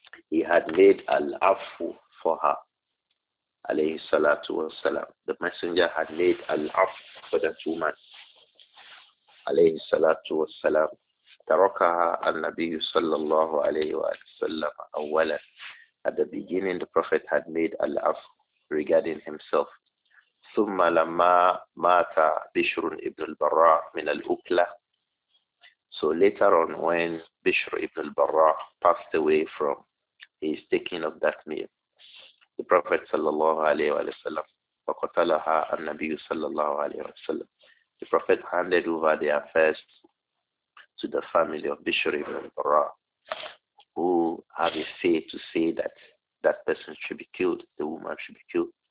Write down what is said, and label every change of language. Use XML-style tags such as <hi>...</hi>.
<en>He had made al-afu for her, alayhi salatu wassalam. The messenger had made al-afu for that woman, alayhi salatu wassalam. Tarakaha an-nabiyyu sallallahu alayhi wa sallam awwala. At the beginning, the Prophet had made al-afu regarding himself.</en> <ar>ثم لما مات بشر ابن البراء من الأكلة.</ar> <en>So later on, when Bishr ibn al-Barra passed away from his taking of that meal, the Prophet sallallahu alayhi wa sallam,</en> <ar>وَقَتَلَهَا النَّبِيُّ</ar> <en>sallallahu alayhi wa sallam, the Prophet handed over the affairs to the family of Bishr ibn al-Barra, who have a say to say that that person should be killed, the woman should be killed.</en>